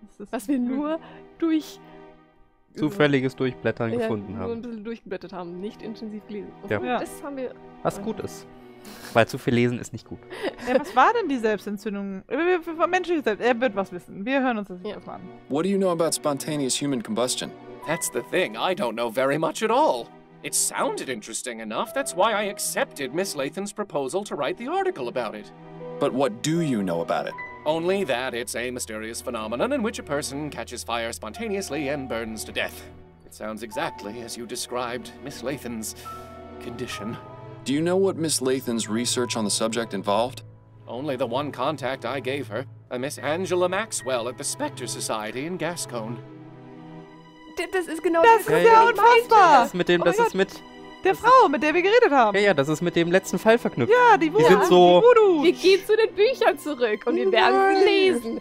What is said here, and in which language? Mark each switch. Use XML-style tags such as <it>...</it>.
<de>Was wir nur durch... Zufälliges Durchblättern gefunden haben. Nur ein bisschen durchgeblättert haben, nicht intensiv gelesen. Ja. Das haben wir. Was gut ist. Weil zu viel lesen ist nicht gut. Ja, was war denn die Selbstentzündung? Menschliche Selbst. Er wird was wissen. Wir hören uns das jetzt mal an.</de> <en>What do you know about spontaneous human combustion? That's the thing, I don't know very much at all. It sounded interesting enough, that's why I accepted Miss Lathan's proposal to write the article about it. But what do you know about it? Only that it's a mysterious phenomenon in which a person catches fire spontaneously and burns to death. It sounds exactly as you described Miss Lathan's condition. Do you know what Miss Lathan's research on the subject involved? Only the one contact I gave her, a Miss Angela Maxwell at the Spectre Society in Gascone.</en> <de>Das ist genau das, was ja unfassbar. Das ist mit dem, oh, das Gott. Ist mit der Frau, mit der wir geredet haben. Ja, ja, das ist mit dem letzten Fall verknüpft. Ja, die Voodoo. Wir sind so, die Voodoo. Wir gehen zu den Büchern zurück und wir werden sie lesen.</de>